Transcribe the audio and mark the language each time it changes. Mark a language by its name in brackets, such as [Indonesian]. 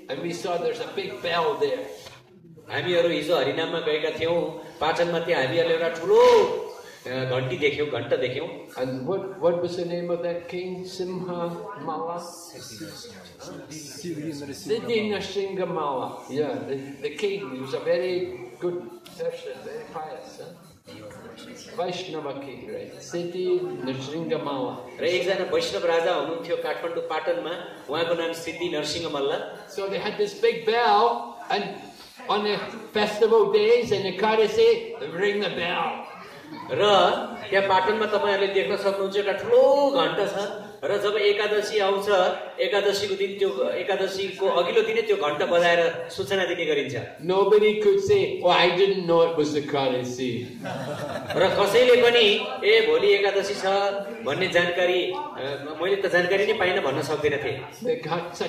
[English] And we saw there's a big bell there. [Nepali] हामीहरु हिजो हरिनाममा गएका थियौ पाटनमा त्यहाँ हामीहरुले एउटा ठूलो घण्टी देख्यौ घण्टा देख्यौ [English] And what was the name of that king Simha Mala? Vinasa Mala. Yeah, the king he was a very good person, very pious. Vaishnava king, right? Narasimha Mala. [Nepali] र एकजना वैष्णव राजा हुनुहुन्थ्यो काठमाडौँ पाटनमा उहाँको नाम सिद्धि Narasimha Malla [English] So they had this big bell and on the festival days in Ekadasi ring the bell. [Nepali] र त्यहाँ पाटनमा तपाईँहरूले देख्न सक्नुहुन्छ एउटा ठुलो घण्टा छ र जब एकादशी आउँछ एकादशीको दिन त्यो एकादशीको अघिल्लो दिनै त्यो घण्टा बजाएर सूचना दिने गरिन्छ [English] Nobody could say, oh, I didn't know it was Ekadasi. [Nepali] र कसैले पनि ए भोलि एकादशी छ भन्ने जानकारी मैले त जानकारी नै पाइन भन्न सक्दिन